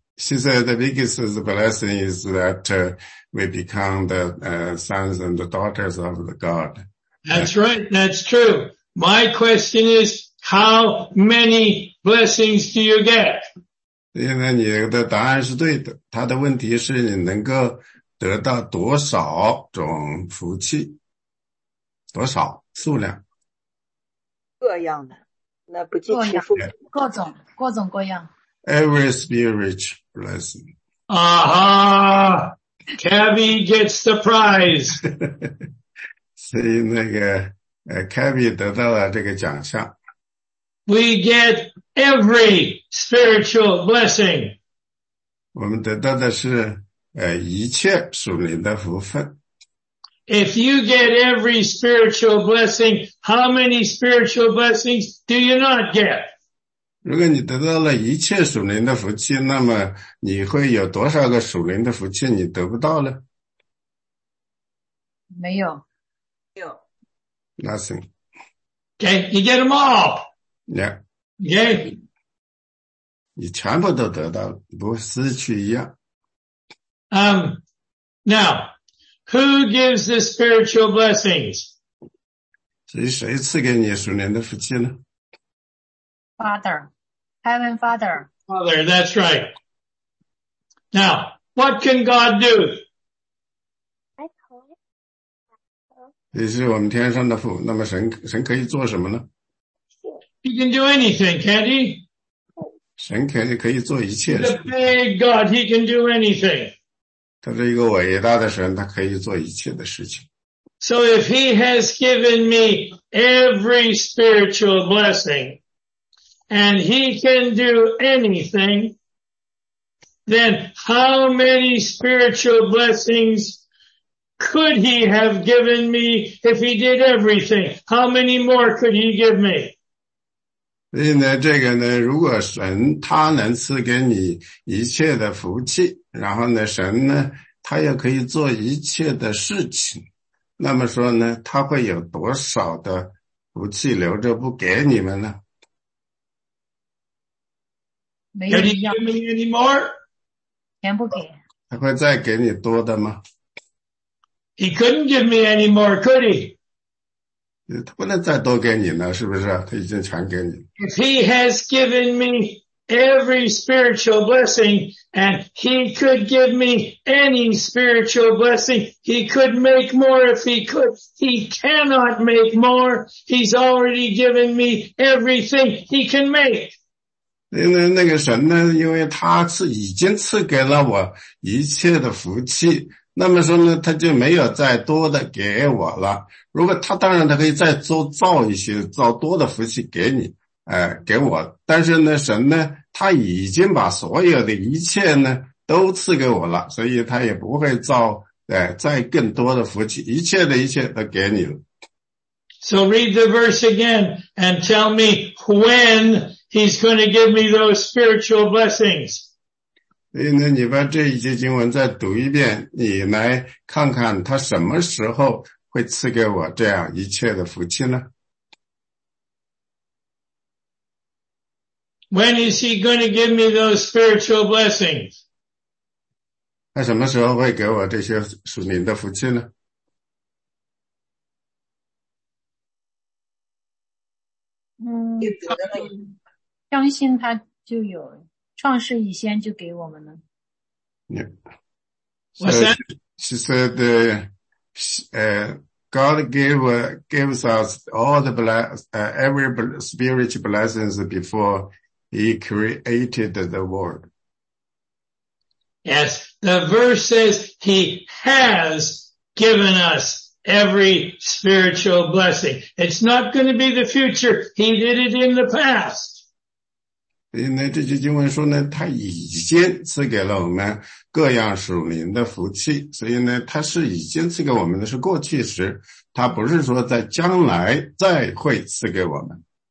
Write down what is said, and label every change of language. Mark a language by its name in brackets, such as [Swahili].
[English] She said the biggest of the blessing is that we become the sons and the daughters of the God. That's right, that's true. My question is, how many blessings do you get? [Chinese] 因为你的答案是对的,他的问题是你能够得到多少种福气,多少数量。各样的,那不计其数。各种,各种各样。 [English] Every spiritual blessing. Aha! Uh-huh. Cavi gets the prize. [Chinese] 所以那个Cavi 得到了这个奖项。 [English] We get every spiritual blessing. [Chinese] 我们得到的是一切属灵的福分。 [English] If you get every spiritual blessing, how many spiritual blessings do you not get? [Chinese] 如果你得到了一切属灵的福气，那么你会有多少个属灵的福气你得不到呢？没有。没有。 [English] Nothing. Okay, you get them all. Yeah. Yay. [Chinese] 你全部都得到了，不失去一样。 [English] Now, who gives the spiritual blessings? [Chinese] 谁赐给你属灵的福气呢？ [English] Father, Heaven Father. Father, that's right. Now, what can God do? [Chinese] 也是我们天上的父，那么神可以做什么呢？ [English] He can do anything, can't he? [Chinese] 神可以做一切。 [English] The big God, he can do anything. [Chinese] 他是一个伟大的神，他可以做一切的事情。 [English] So if he has given me every spiritual blessing, and he can do anything, then how many spiritual blessings could he have given me if he did everything? How many more could he give me? [Chinese] 所以呢，这个呢，如果神他能赐给你一切的福气，然后呢，神呢，他也可以做一切的事情，那么说呢，他会有多少的福气留着不给你们呢？没有。 [English] Can you give me any more? [Chinese] 钱不给。他会再给你多的吗？ [English] He couldn't give me any more, could he? [Chinese] 他不能再多给你呢，是不是？他已经全给你。 [English] If he has given me every spiritual blessing, and he could give me any spiritual blessing, he could make more if he could. He cannot make more. He's already given me everything he can make. [Chinese] 那个神呢？因为他已经赐给了我一切的福气。那么说呢，他就没有再多的给我了。如果他当然他可以再造一些造多的福气给你，给我。但是呢，神呢，他已经把所有的一切呢都赐给我了，所以他也不会造再更多的福气，一切的一切都给你了。 [English] So read the verse again and tell me when he's going to give me those spiritual blessings. [Chinese] 所以呢，你把这一节经文再读一遍，你来看看他什么时候会赐给我这样一切的福气呢？ [English] When is he going to give me those spiritual blessings? [Chinese] 他什么时候会给我这些属灵的福气呢？ Mm-hmm. 相信他就有创世以先就给我们了。 [English] Yeah. So, she said, God gives us all the every spiritual blessings before he created the world. Yes, the verse says he has given us every spiritual blessing. It's not going to be the future. He did it in the past. [Chinese] 那这句经文说呢，他已经赐给了我们各样属灵的福气，所以呢，他是已经赐给我们的是过去时，他不是说在将来再会赐给我们。